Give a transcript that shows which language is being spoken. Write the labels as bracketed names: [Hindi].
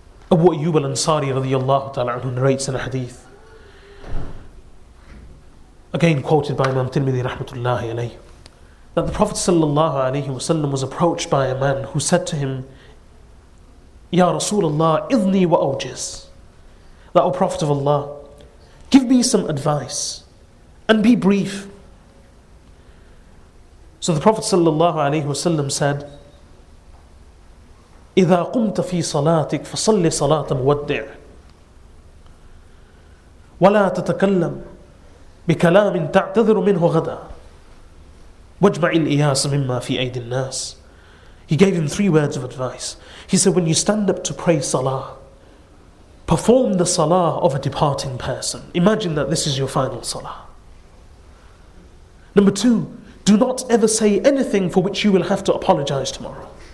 [English] Abu Ayyub al-Ansari radiyallahu ta'ala anhu narrates in a hadith, again quoted by Imam Tirmidhi rahmatullahi alayhi, that the Prophet sallallahu alayhi wasallam was approached by a man who said to him, Ya Rasulullah, [Arabic] idhni wa awjiz. [English] That, O Prophet of Allah, give me some advice and be brief. So the Prophet sallallahu alayhi wasallam said, [Arabic] إذا قمت في صلاتك فصل صلاة مودع ولا تتكلم بكلام تعتذر منه غدا واجمع الإياس مما في أيدي الناس. [English] He gave him three words of advice. He said, when you stand up to pray salah, perform the salah of a departing person. Imagine that this is your final salah. Number two, do not ever say anything for which you will have to apologize tomorrow.